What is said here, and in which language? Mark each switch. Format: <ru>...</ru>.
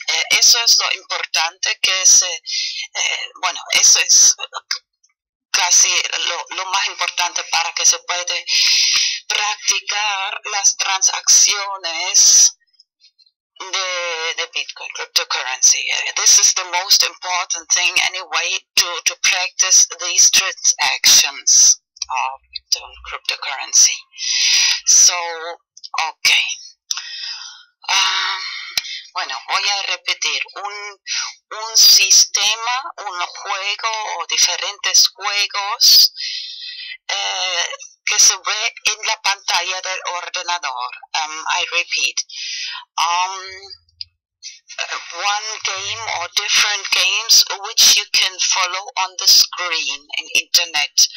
<es>Eso es lo importante que es, bueno, eso es casi lo más importante para que se puede practicar las transacciones de Bitcoin, cryptocurrency.</es> <en>This is the most important thing anyway to practice these transactions of the cryptocurrency. So, okay.</en> <es>Bueno, voy a repetir. Un sistema, un juego o diferentes juegos que se ve en la pantalla del ordenador.</es> <en>I repeat. One game or different games which you can follow on the screen in internet.</en>